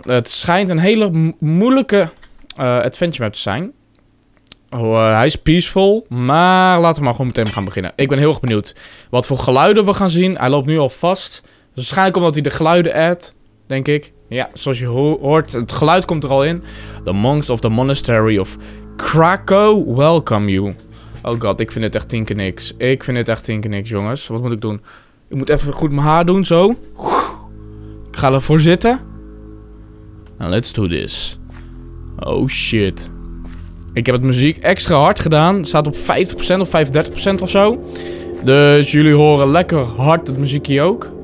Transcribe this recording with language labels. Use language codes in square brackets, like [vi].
[nl] Het schijnt een hele moeilijke adventure map te zijn. Hij is peaceful. Maar laten we maar gewoon meteen gaan beginnen. Ik ben heel erg benieuwd wat voor geluiden we gaan zien. Hij loopt nu al vast. Waarschijnlijk omdat hij de geluiden add, denk ik. Ja, zoals je hoort. Het geluid komt er al in. [en] The monks of the monastery of Krakow welcome you. [nl] Oh god, ik vind het echt tien keer niks. Ik vind het echt tien keer niks, jongens. Wat moet ik doen? Ik moet even goed mijn haar doen, zo. Ik ga ervoor zitten. [en] And let's do this. Oh shit. [nl] Ik heb het muziek extra hard gedaan. Het staat op 50% of 35% of zo. Dus jullie horen lekker hard het muziekje ook.